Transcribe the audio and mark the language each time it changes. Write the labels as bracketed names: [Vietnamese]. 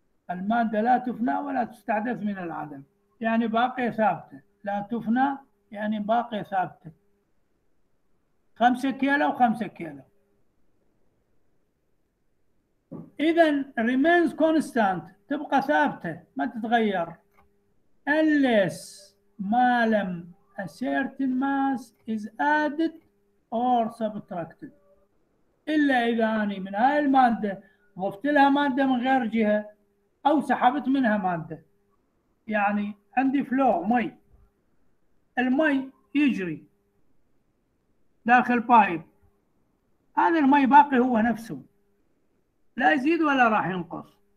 [Arabic] المادة لا تفنى ولا تستحدث من العدم، يعني باقية ثابتة، لا تفنى يعني باقية ثابتة. 5 كيلو وخمسة كيلو. إذن [English] remains constant، [Arabic] تبقى ثابتة، ما تتغير. [English] Unless [Arabic] ما لم [English] A certain mass is added or subtracted. [Arabic] إلا إذا أني من هاي المادة ضفت لها مادة من غير جهة أو سحبت منها مادة. يعني عندي فلو مي، المي يجري داخل بايب، هذا المي باقي هو نفسه، لا يزيد ولا راح ينقص.